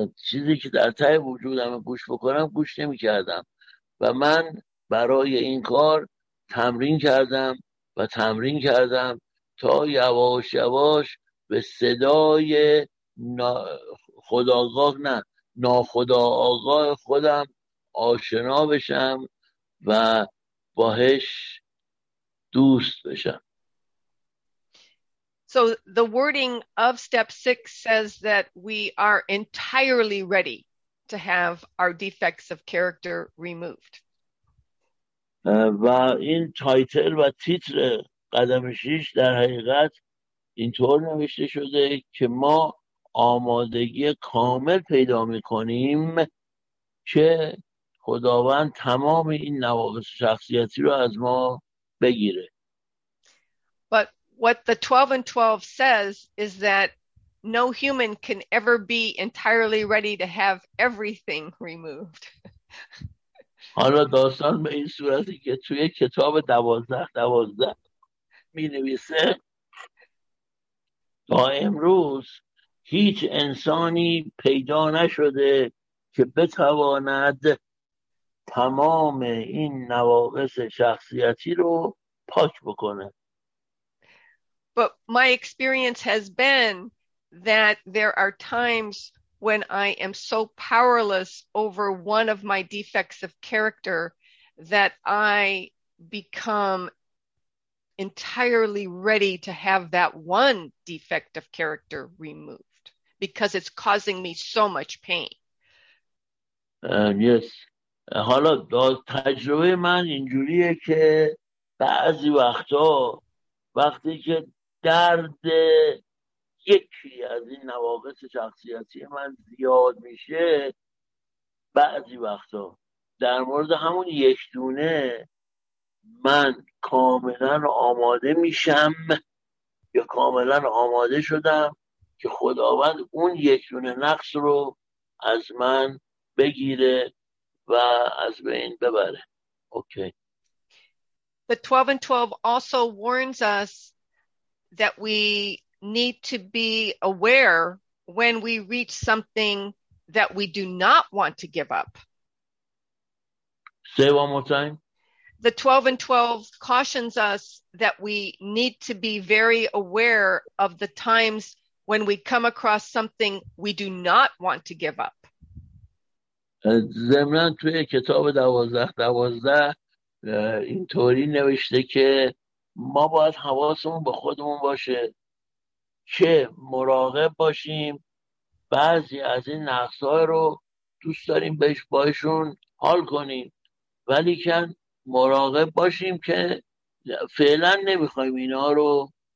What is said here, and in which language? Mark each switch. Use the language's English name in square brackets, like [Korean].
[Persian] چیزی که در ته وجودم گوش بکنم گوش نمی کردم و من برای این کار تمرین کردم و تمرین کردم تا یواش یواش به صدای خداگاه نه ناخدا آگاه خودم آشنا بشم و باهش دوست بشم. [English] So the wording of step six says that we are entirely ready to have our defects of character removed. [Persian] و این تایتل و تیتر قدم شیش در حقیقت اینطور نوشته شده که ما آمادگی کامل پیدا میکنیم که خداوند تمام این نواقص شخصیتی رو از ما بگیره. [English] But what the 12 and 12 says is that no human can ever be entirely ready to have everything removed. [Persian] حالا داستان به این صورتی که توی کتاب 12:12 می نویسه تا امروز هیچ انسانی پیدا نشده که بتواند تمام این نواقص شخصیتی رو پاک بکنه. [English] But my experience has been that there are times when I am so powerless over one of my defects of character that I become entirely ready to have that one defect of character removed because it's causing me so much pain. Yes. [Persian] حالا تجربه من اینجوریه که بعضی وقتا وقتی که درد یکی از این نواقص شخصیتی من زیاد میشه، بعضی وقتا در مورد همون یک دونه من کاملا آماده میشم یا کاملا آماده شدم که خداوند اون یک دونه نقص رو از من بگیره و از بین ببره. [English] Okay. The 12 and 12 also warns us that we need to be aware when we reach something that we do not want to give up. Say one more time. The 12 and 12 cautions us that we need to be very aware of the times when we come across something we do not want to give up. [Persian] زمنان توی کتاب 12-12 اینطوری نوشته که ما باید حواسمون به خودمون باشه که مراقب باشیم بعضی از این نقصهای رو دوست داریم بهش باشون حال کنیم ولیکن مراقب باشیم که فعلا نمیخوایم اینا رو